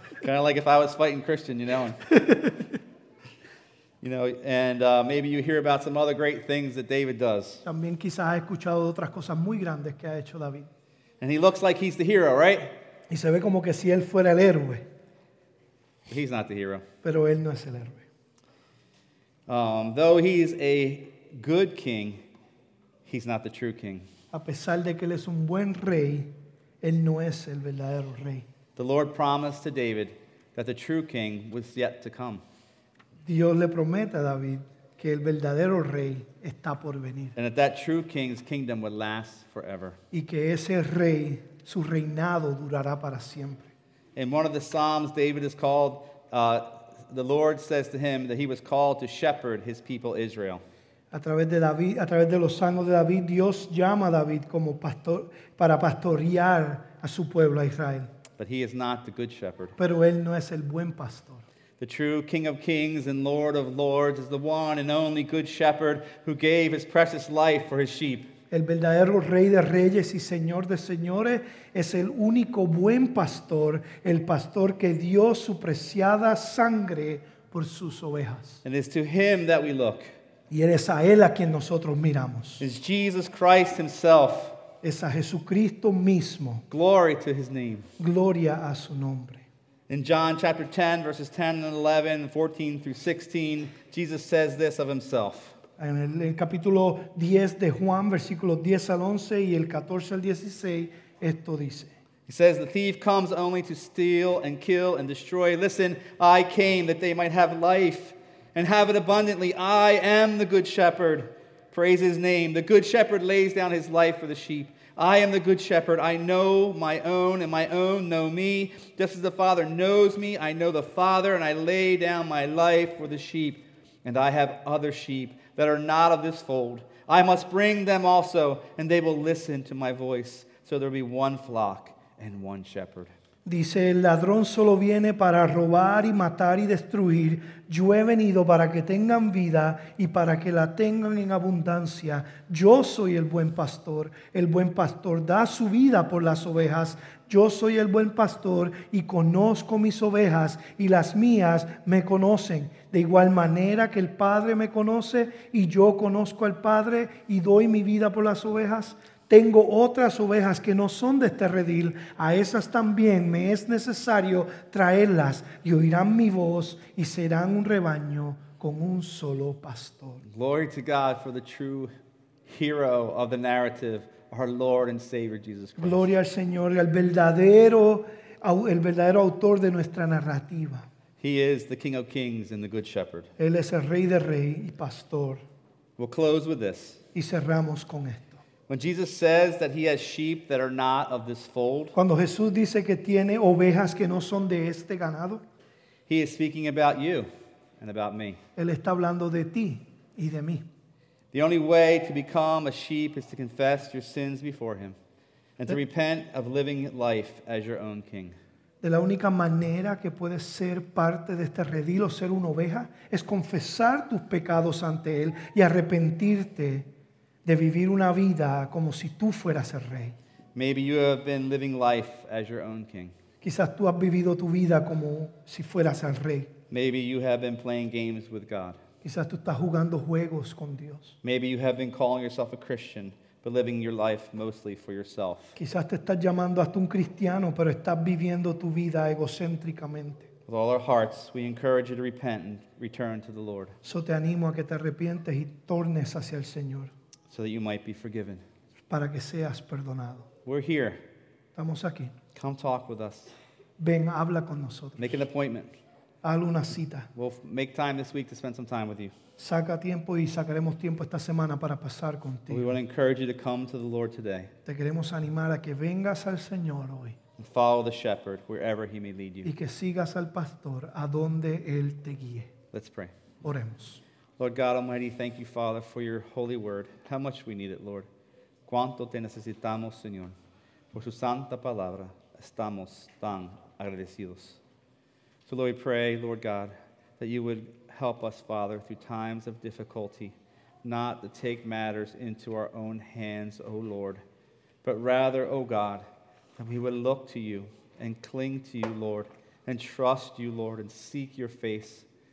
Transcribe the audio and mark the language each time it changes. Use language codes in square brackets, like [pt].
[en] Kind of like if I was fighting Christian, you know. You know, and maybe you hear about some other great things that David does. [es] También quizás ha escuchado otras cosas muy grandes que ha hecho David. [en] And he looks like he's the hero, right? [es] Y se ve como que si él fuera el héroe. [en] But he's not the hero. [es] Pero él no es el héroe. [en] Though he's a good king, he's not the true king. [es] A pesar de que él es un buen rey, él no es el verdadero rey. [en] The Lord promised to David that the true king was yet to come. [es] Dios le promete a David que el verdadero rey está por venir. [en] And that true king's kingdom would last forever. [es] Y que ese rey, su reinado durará para siempre. [en] In one of the Psalms, David is called, the Lord says to him that he was called to shepherd his people Israel. [es] A través de David, a través de los salmos de David, Dios llama a David como pastor, para pastorear a su pueblo a Israel. [en] But he is not the good shepherd. [es] Pero él no es el buen pastor. [en] The true King of Kings and Lord of Lords is the one and only good shepherd who gave his precious life for his sheep. [es] El verdadero Rey de Reyes y Señor de Señores es el único buen pastor, el pastor que dio su preciada sangre por sus ovejas. [en] And it's to him that we look. [es] Y es a él a quien nosotros miramos. [en] It's Jesus Christ himself. [es] Es a Jesucristo mismo. [en] Glory to his name. [es] Gloria a su nombre. [en] In John chapter 10, verses 10 and 11, 14 through 16, Jesus says this of himself. [es] En el capítulo 10 de Juan, versículos 10 al 11 y el 14 al 16, esto dice. [en] He says, the thief comes only to steal and kill and destroy. Listen, I came that they might have life and have it abundantly. I am the good shepherd. Praise his name. The good shepherd lays down his life for the sheep. I am the good shepherd. I know my own, and my own know me. Just as the Father knows me, I know the Father, and I lay down my life for the sheep. And I have other sheep that are not of this fold. I must bring them also, and they will listen to my voice. So there will be one flock and one shepherd. [es] Dice, el ladrón solo viene para robar y matar y destruir. Yo he venido para que tengan vida y para que la tengan en abundancia. Yo soy el buen pastor. El buen pastor da su vida por las ovejas. Yo soy el buen pastor y conozco mis ovejas y las mías me conocen. De igual manera que el Padre me conoce y yo conozco al Padre y doy mi vida por las ovejas. Tengo otras ovejas que no son de este redil. A esas también me es necesario traerlas y oirán mi voz y serán un rebaño con un solo pastor. [en] Glory to God for the true hero of the narrative, our Lord and Savior Jesus Christ. [es] Gloria al Señor, el verdadero autor de nuestra narrativa. [en] He is the King of Kings and the Good Shepherd. [es] Él es el Rey de Rey y Pastor. [en] We'll close with this. [es] Y cerramos con esto. [en] When Jesus says that he has sheep that are not of this fold, [es] cuando Jesús dice que tiene ovejas que no son de este ganado, [en] he is speaking about you and about me. [es] Él está hablando de ti y de mí. [en] The only way to become a sheep is to confess your sins before him and to repent of living life as your own king. [es] De la única manera que puedes ser parte de este redil o ser una oveja es confesar tus pecados ante él y arrepentirte de vivir una vida como si tú fueras el rey. [en] Maybe you have been living life as your own king. [es] Quizás tú has vivido tu vida como si fueras el rey. [en] Maybe you have been playing games with God. [es] Quizás tú estás jugando juegos con Dios. [en] Maybe you have been calling yourself a Christian, but living your life mostly for yourself. [es] Quizás te estás llamando hasta un cristiano, pero estás viviendo tu vida egocéntricamente. [en] With all our hearts, we encourage you to repent and return to the Lord. [es] So te animo a que te arrepientes y tornes hacia el Señor. [en] So that you might be forgiven. [es] Para que seas perdonado. [en] We're here. [es] Estamos aquí. [en] Come talk with us. [es] Ven, habla con nosotros. [en] Make an appointment. [es] Haz una cita. [en] We'll make time this week to spend some time with you. [es] Saca tiempo y sacaremos tiempo esta semana para pasar contigo. [en] We want to encourage you to come to the Lord today. [es] Te queremos animar a que vengas al Señor hoy. [en] And follow the shepherd wherever he may lead you. [es] Y que sigas al pastor a donde él te guíe. [en] Let's pray. [es] Oremos. [en] Lord God Almighty, thank you, Father, for your holy word. How much we need it, Lord. [es] Cuánto te necesitamos, Señor. Por su santa palabra, estamos tan agradecidos. [en] So Lord, we pray, Lord God, that you would help us, Father, through times of difficulty, not to take matters into our own hands, O Lord, but rather, O God, that we would look to you and cling to you, Lord, and trust you, Lord, and seek your face.